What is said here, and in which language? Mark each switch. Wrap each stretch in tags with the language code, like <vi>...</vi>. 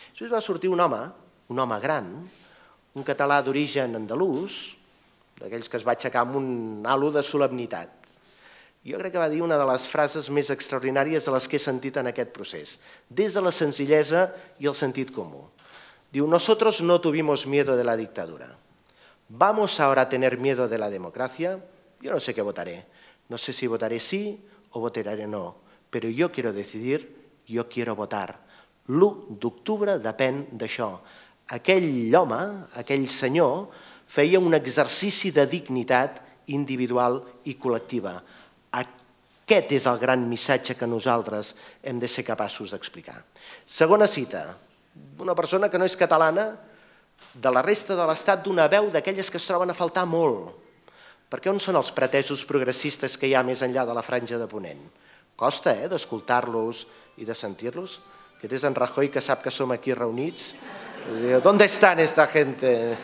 <ca>Després va sortir un home gran, un català d'origen andalús, d'aquells que es va aixecar amb un halo de solemnitat. Jo crec que va dir una de les frases més extraordinàries de les que he sentit en aquest procés, des de la senzillesa i el sentit comú.</ca> <es>Diu, nosotros no tuvimos miedo de la dictadura. ¿Vamos ahora a tener miedo de la democracia? Yo no sé qué votaré. No sé si votaré sí o votaré no. Pero yo quiero decidir, yo quiero votar.</es> <ca>L'1 d'octubre depèn d'això. Aquell home, aquell senyor, feia un exercici de dignitat individual i col·lectiva. Aquest és el gran missatge que nosaltres hem de ser capaços d'explicar. Segona cita. Una persona que no és catalana, de la resta de l'Estat, d'una veu d'aquelles que es troben a faltar molt. Perquè on són els pretesos progressistes que hi ha més enllà de la franja de Ponent? Costa, eh, d'escoltar-los i de sentir-los. Que és en Rajoy que sap que som aquí reunits.</ca> <es>Diu, ¿dónde están esta gente?</es>